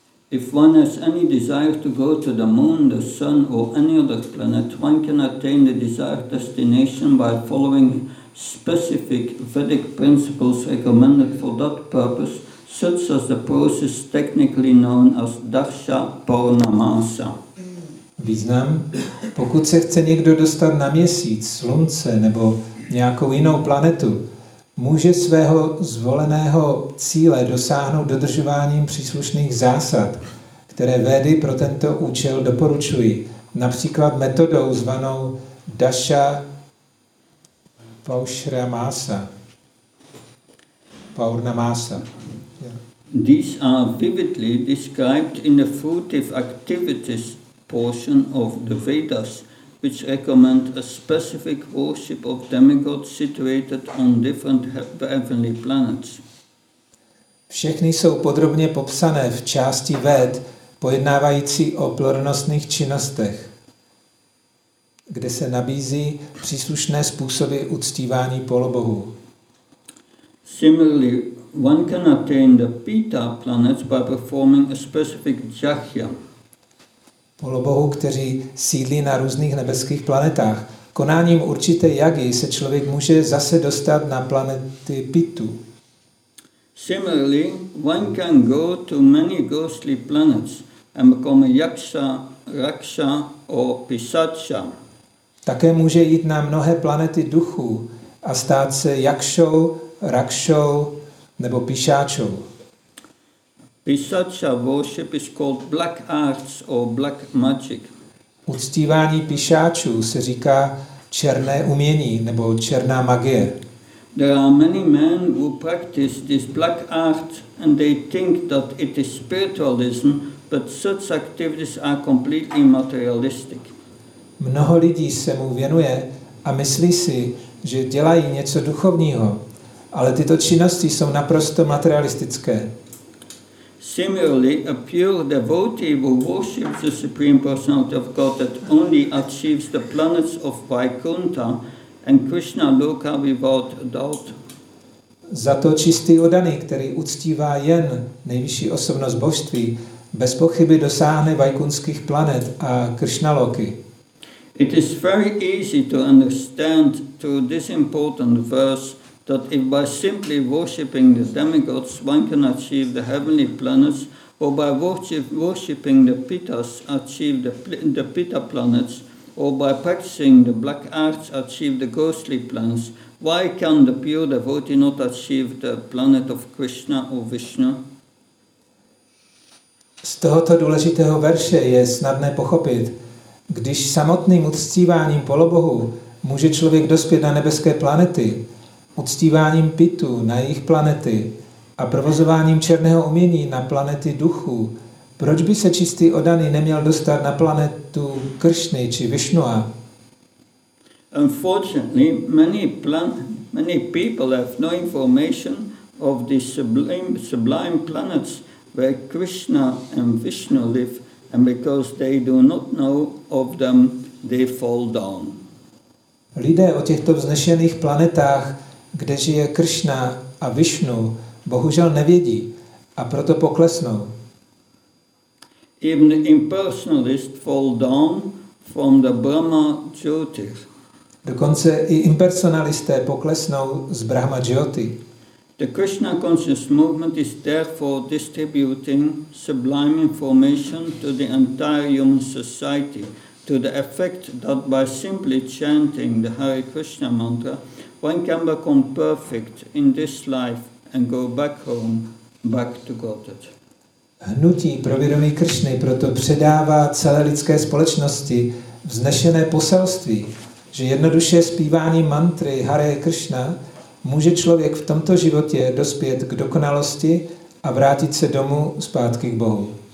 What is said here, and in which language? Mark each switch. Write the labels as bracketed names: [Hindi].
[English] If one has any desire to go to the moon, the sun, or any other planet, one can attain the desired destination by following specific Vedic principles recommended for that purpose, such as the process technically known as Darsha Purnamasa. [Czech] Význam. Pokud se chce někdo dostat na měsíc, slunce nebo nějakou jinou planetu, může svého zvoleného cíle dosáhnout dodržováním příslušných zásad, které Védy pro tento účel doporučují, například metodou zvanou Dasha Paushramasa. Paurnamasa. Yeah. [English] These are vividly described in the fruitive activities portion of the Vedas, which recommend a specific worship of demigods situated on different heavenly planets. [Czech] Všechny jsou podrobně popsané v části Véd, pojednávající o plodonosných činnostech, kde se nabízí příslušné způsoby uctívání polobohů. [English] Similarly, one can attain the Pita planets by performing a specific jachya. [Czech] Polobohu, kteří sídlí na různých nebeských planetách. Konáním určité jagy se člověk může zase dostat na planety Pitu. [English] Similarly, one can go to many ghostly planets and become Yaksha, Raksha or Pisacha. [Czech] Také může jít na mnohé planety duchů a stát se Jakšou, Rakšou nebo Pisáčou. [English] Pisacha worship is called black arts or black magic. [Czech] Uctívání Pisáčů se říká černé umění nebo černá magie. [English] There are many men who practice this black art and they think that it is spiritualism, but such activities are completely materialistic. [Czech] Mnoho lidí se mu věnuje a myslí si, že dělají něco duchovního, ale tyto činnosti jsou naprosto materialistické. [English] Similarly, a pure devotee who worships the Supreme Personality of God that only achieves the planets of Vaikuntha and Krishna Loka without doubt. [Czech] Za to čistý oddaný, který uctívá jen nejvyšší osobnost božství, bez pochyby dosáhne vaikunských planet a Krishna Loky. [English] It is very easy to understand through this important verse that if by simply worshipping the demigods one can achieve the heavenly planets, or by worshipping the pitas achieve the pita planets, or by practicing the black arts achieve the ghostly planets, why can the pure devotee not achieve the planet of Krishna or Vishnu? [Czech] Z tohoto důležitého verše je snadné pochopit, když samotným uctíváním polobohu může člověk dospět na nebeské planety, uctíváním pitu na jejich planety a provozováním černého umění na planety duchů, proč by se čistý oddaný neměl dostat na planetu Kršny či Višnua? [English] Unfortunately, many people have no information of the sublime planets where Krishna and Vishnu live, and because they do not know of them, they fall down. [Czech] Lidé o těchto vznešených planetách, kde žije Krishna a Vishnu, bohužel nevědí a proto poklesnou. [English] Even the impersonalists fall down from the Brahma Jyotir. [Czech] Dokonce i impersonalisté poklesnou z Brahma Jyoti. [English] The Krishna conscious movement is therefore distributing sublime information to the entire human society to the effect that by simply chanting the Hare Krishna mantra, one can become perfect in this life and go back home, back to Godhead. [Czech] Hnutí pro vědomí Kršny proto předává celé lidské společnosti vznešené poselství, že jednoduše zpívání mantry Hare Krishna může člověk v tomto životě dospět k dokonalosti a vrátit se domů zpátky k Bohu.